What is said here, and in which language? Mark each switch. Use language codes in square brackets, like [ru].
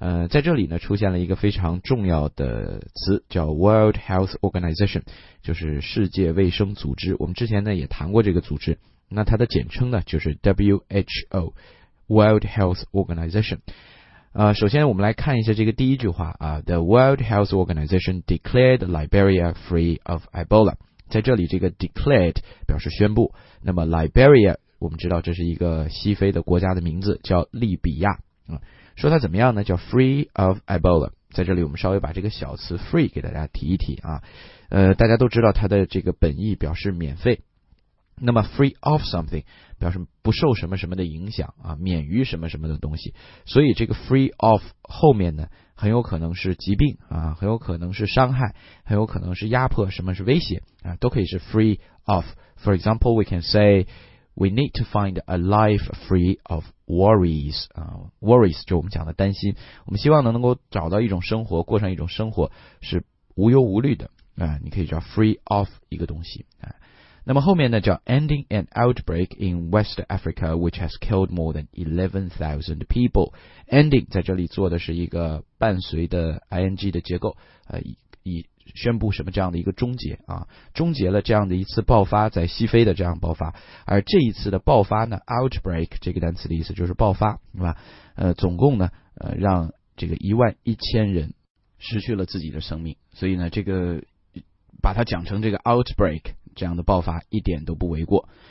[zh] 在这里呢出现了一个非常重要的词，叫 World Health Organization， 就是世界卫生组织。我们之前呢也谈过这个组织。那它的简称呢就是 WHO World Health Organization。首先我们来看一下这个第一句话啊， [en] The World Health Organization declared Liberia free of Ebola。 [zh] 在这里这个 declared 表示宣布，那么 Liberia 我们知道这是一个西非的国家的名字，叫利比亚，说它怎么样呢，叫 [en] free of Ebola。 [zh] 在这里我们稍微把这个小词 free 给大家提一提啊，大家都知道它的这个本意表示免费，那么 [en] free of something [zh] 表示不受什么什么的影响啊，免于什么什么的东西，所以这个 free of 后面呢很有可能是疾病啊，很有可能是伤害，很有可能是压迫，什么是威胁啊，都可以是 free of。 [en] For example, we can say we need to find a life free of worries [zh] 啊， worries 就我们讲的担心，我们希望能够找到一种生活，过上一种生活是无忧无虑的啊，你可以叫 free of 一个东西啊。那么后面呢叫 [en] ending an outbreak in West Africa which has killed more than 11,000 people。 [zh] ending 在这里做的是一个伴随的 ing 的结构，以宣布什么这样的一个终结啊，终结了这样的一次爆发，在西非的这样爆发。而这一次的爆发呢， outbreak 这个单词的意思就是爆发，是吧？总共呢让这个11,000人失去了自己的生命，所以呢这个把它讲成这个 outbreak这样的爆发一点都不为过。